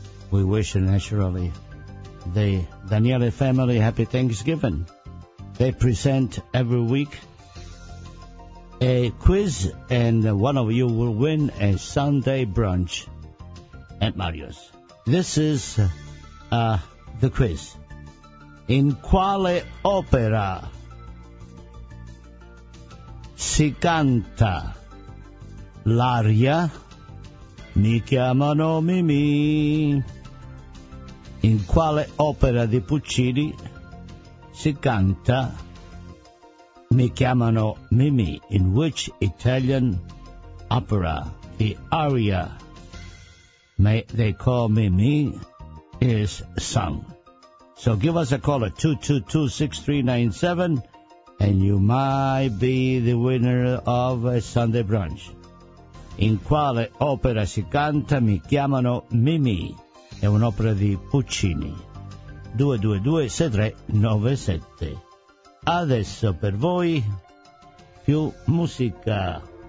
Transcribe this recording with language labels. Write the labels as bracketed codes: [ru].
[en] We wish naturally the Daniele family happy Thanksgiving. They present every week a quiz, and one of you will win a Sunday brunch at Mario's. This is the quiz. [it] In quale opera si canta l'aria Mi chiamano Mimì? In quale opera di Puccini si canta Mi chiamano Mimì? [en] In which Italian opera the aria May They Call Mimì is sung? So give us a call at 222-6397 and you might be the winner of a Sunday brunch. [it] In quale opera si canta Mi chiamano Mimì? È un'opera di Puccini. 222-6397. Adesso per voi più musica.